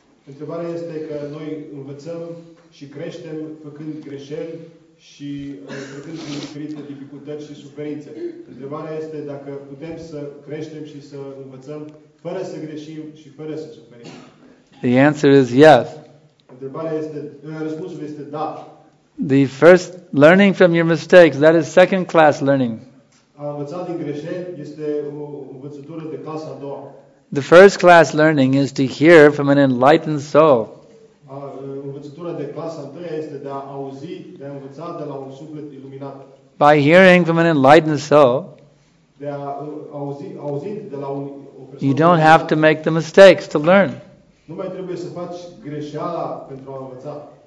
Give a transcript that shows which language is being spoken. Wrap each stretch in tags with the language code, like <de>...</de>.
<ro>Întrebarea este că noi învățăm și creștem făcând greșeli și trecând prin diferite dificultăți și suferințe. Întrebarea este dacă putem să creștem și să învățăm fără să greșim și fără să suferim.</ro> <en>The answer is yes.</en> <ro>Întrebarea este, răspunsul este da.</ro> <en>The first learning from your mistakes, that is second class learning.</en> <ro>A învăța din greșeli este o învățătură de clasa a doua.</ro> <en>The first class learning is to hear from an enlightened soul.</en> <ro>Învățătura de clasa a treia este de a auzi, de a învăța de la un suflet iluminat.</ro> <en>By hearing from an enlightened soul,</en> <ro>de a auzi de la un,</ro> <en>you don't have to make the mistakes to learn.</en> <ro>Nu mai trebuie să faci greșeala pentru a învăța.</ro>